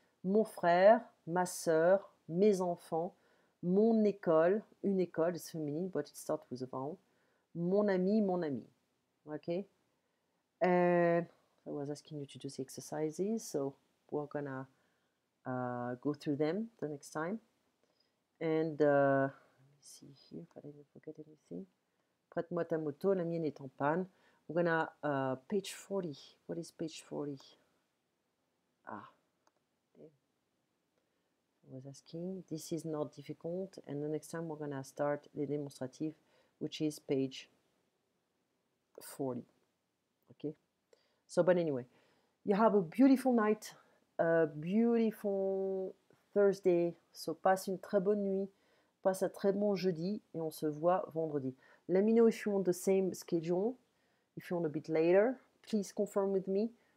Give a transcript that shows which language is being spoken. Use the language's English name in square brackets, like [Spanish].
[French] Mon frère, ma soeur, mes enfants, mon école, une école, [English] it's feminine, but it starts with a vowel. [French] Mon ami, okay. [English] And I was asking you to do the exercises, so we're gonna go through them the next time. And let me see here, if I didn't forget anything. [French] Prête-moi ta moto, la mienne est en panne. [English] We're gonna page 40. What is page 40? Ah, was asking. This is not difficult. And the next time we're gonna start the démonstrative, which is page 40. Okay. So, but anyway, you have a beautiful night, a beautiful Thursday. [French] So, passe une très bonne nuit, passe un très bon jeudi, et on se voit vendredi. [English] Let me know if you want the same schedule. If you want a bit later, please confirm with me.